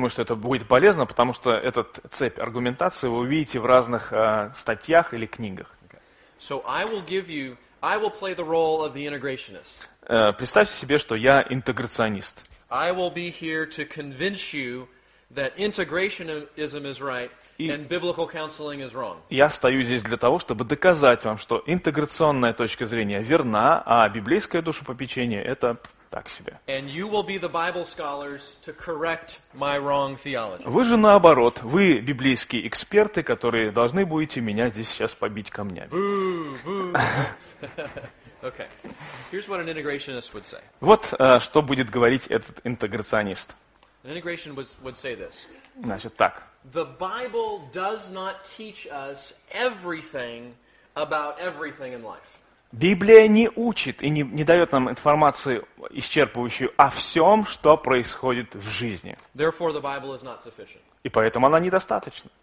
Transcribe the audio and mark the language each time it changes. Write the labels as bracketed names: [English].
[Russian] Я думаю, что это будет полезно, потому что этот цепь аргументации вы увидите в разных статьях или книгах. [English] Okay. So I will play the role of the integrationist. [Russian] Представьте себе, что я интеграционист. [English] I will be here to convince you that integrationism is right and biblical counseling is wrong. [Russian] Я стою здесь для того, чтобы доказать вам, что интеграционная точка зрения верна, а библейское душепопечение это так себе. [English] And you will be the Bible scholars to correct my wrong theology. [Russian] Вы же наоборот, вы библейские эксперты, которые должны будете меня здесь сейчас побить камнями. [English] Boo, boo. Okay. Here's what an integrationist would say. [Russian] Вот что будет говорить этот интеграционист. [English] An integration would say this. [Russian] Значит, так. [English] The Bible does not teach us everything about everything in life. [Russian] Библия не учит и не дает нам информации исчерпывающую о всем, что происходит в жизни. [English] Therefore, the Bible is not sufficient. [Russian] И поэтому она недостаточна.